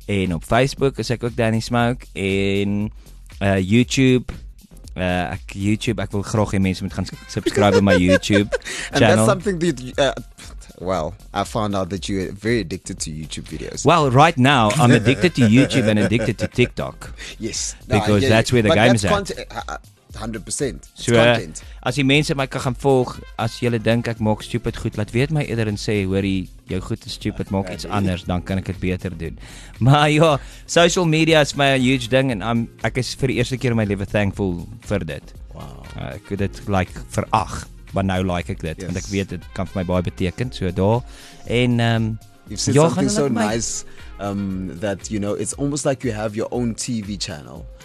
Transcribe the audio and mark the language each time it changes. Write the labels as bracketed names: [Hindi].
[Afrikaans] En op Facebook is ek ook Danny Smoke. En YouTube, ek wil graag hê mense moet gaan subscribe op my YouTube channel. [English] And that's something that I found out that you're very addicted to YouTube videos. Well, right now I'm addicted to YouTube and addicted to TikTok. Yes. Because that's where the game is at. 100%. So, content. [Afrikaans] As die mense my kan gaan volg, as julle dink ek maak stupid goed, laat weet my eerder en sê, hoorie, jou goed is stupid, maak iets anders, dan kan ek het beter doen. Maar ja, social media is my huge ding, en ek is vir die eerste keer in my leven thankful vir dit. Wow. Ek het dit like veracht, maar nou like ek dit, yes. Want ek weet, dit kan vir my baie beteken, so daar, en... [English] You've said something so nice that, you know, it's almost like you have your own TV channel.